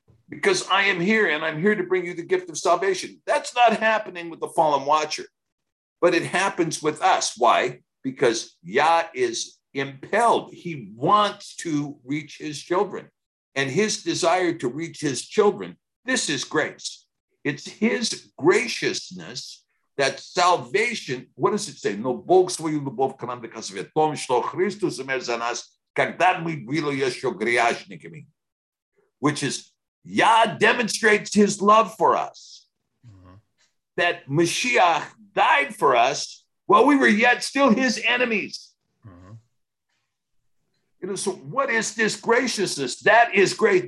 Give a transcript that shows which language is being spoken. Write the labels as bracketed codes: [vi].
[en] Because I am here, and I'm here to bring you the gift of salvation. That's not happening with the fallen watcher, but it happens with us. Why? Because Yah is impelled. He wants to reach his children, and his desire to reach his children, this is grace. It's his graciousness that salvation, what does it say? [ru] No Бог свою любовь к нам доказывает в том, что Христос умер за нас, когда мы были еще грешниками. [en] Which is, Yah demonstrates his love for us. Mm-hmm. That Mashiach died for us while we were yet still his enemies. Mm-hmm. You know, so what is this graciousness? That is grace.